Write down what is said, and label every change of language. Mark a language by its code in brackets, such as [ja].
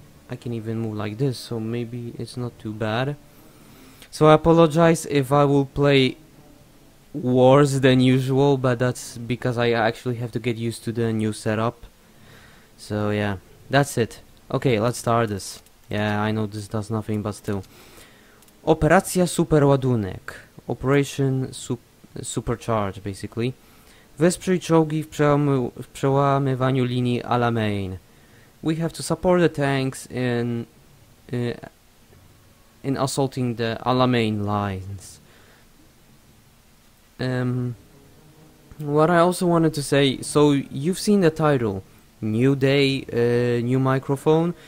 [en] I can even move like this, so maybe it's not too bad. So I apologize if I will play worse than usual, but that's because I actually have to get used to the new setup. So yeah, that's it. Okay, let's start this. Yeah, I know this does nothing, but still. [pl] Operacja Superładunek. [en] Operation Supercharge, basically. [pl] Wesprzyj czołgi w przełamywaniu linii Alamein. [en] We have to support the tanks in assaulting the Alamein lines. What I also wanted to say, so you've seen the title, new day, new microphone.